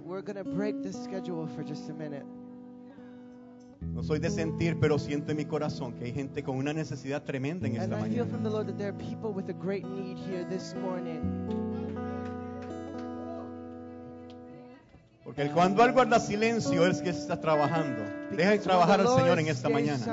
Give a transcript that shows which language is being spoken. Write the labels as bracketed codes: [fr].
[en] We're gonna break the schedule for just a minute. [es] No soy de sentir, pero siento en mi corazón que hay gente con una necesidad tremenda en esta mañana. [en] And I feel from the Lord that there are people with a great need here this morning. [es] Porque el cuando Él guarda silencio es que está trabajando. Deja de trabajar al Señor en esta mañana.